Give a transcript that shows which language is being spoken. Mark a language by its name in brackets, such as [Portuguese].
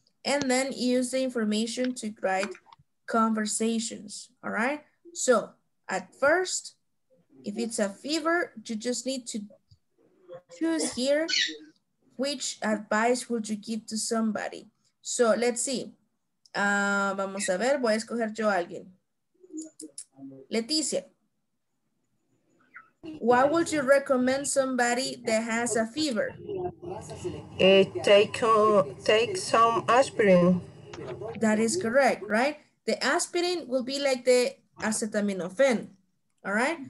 [English] And then use the information to write conversations, all right? So at first, if it's a fever, you just need to choose here which advice would you give to somebody. So let's see. [Spanish] Vamos a ver, voy a escoger yo a alguien. [English] Leticia, why would you recommend somebody that has a fever? Take some aspirin. That is correct, right? The aspirin will be like the acetaminophen, all right?